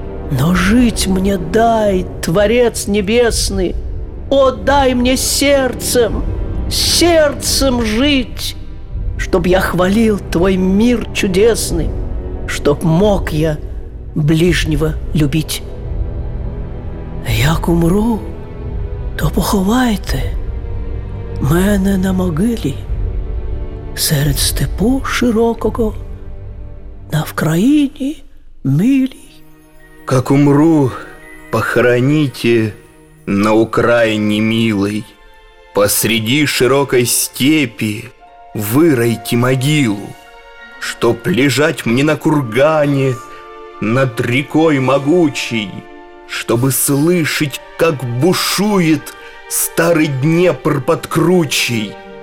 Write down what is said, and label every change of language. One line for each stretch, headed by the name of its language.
Russian: Но жить мне дай, Творец Небесный, о, дай мне сердцем, сердцем жить, чтоб я хвалил твой мир чудесный, чтоб мог я ближнего любить.
Ukrainian: Як умру, то поховайте мене на могилі серед степу широкого на Вкраїні милі.
Russian: Как умру, похороните на Украине милой, посреди широкой степи выройте могилу, чтоб лежать мне на кургане над рекой могучей, чтобы слышать, как бушует старый Днепр под кручей.